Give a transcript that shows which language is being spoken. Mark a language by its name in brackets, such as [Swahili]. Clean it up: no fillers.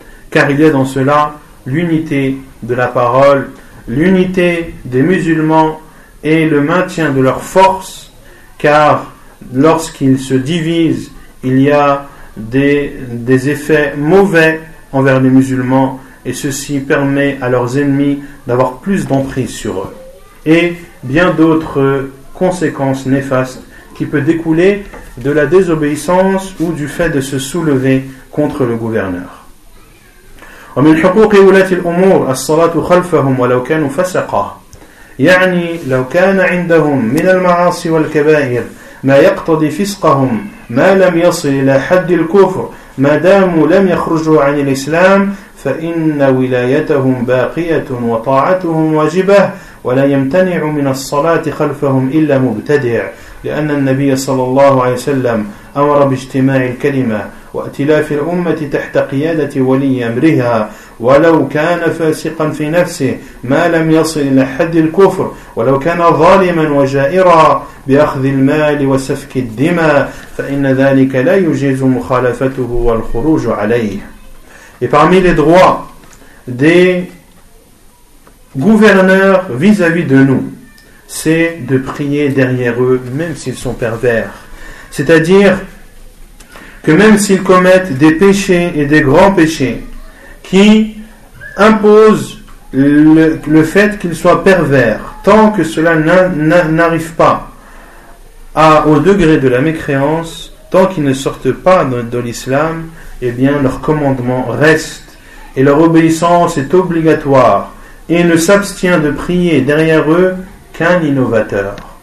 [French] car il y a dans cela l'unité de la parole, l'unité des musulmans et le maintien de leur force, car lorsqu'ils se divisent, il y a des effets mauvais envers les musulmans, et ceci permet à leurs ennemis d'avoir plus d'emprise sur eux, et bien d'autres conséquences néfastes qui peut découler de la désobéissance ou du fait de se soulever contre le gouverneur. [Arabic] ومن حقوق ولاة الأمور الصلاة خلفهم ولو كانوا فسقة، يعني لو كان عندهم من المعاصي والكبائر ما يقتضي فسقهم ما لم يصل إلى حد الكفر ما داموا لم يخرجوا عن الإسلام، فإن ولايتهم باقية وطاعتهم واجبة، ولا يمتنع من الصلاة خلفهم إلا مبتدع، لأن النبي صلى الله عليه وسلم أمر باجتماع الكلمة وأتلاف الأمة تحت قيادة ولي أمرها، ولو كان فاسقا في نفسه ما لم يصل إلى حد الكفر، ولو كان ظالما وجائرا بأخذ المال وسفك الدماء، فإن ذلك لا يجيز مخالفته والخروج عليه. [French] Et parmi les droits des gouverneurs vis-à-vis de nous, c'est de prier derrière eux, même s'ils sont pervers. C'est-à-dire que même s'ils commettent des péchés et des grands péchés qui imposent le fait qu'ils soient pervers, tant que cela n'arrive pas au degré de la mécréance, tant qu'ils ne sortent pas de l'islam, eh bien leur commandement reste et leur obéissance est obligatoire, et ne s'abstient de prier derrière eux qu'un innovateur.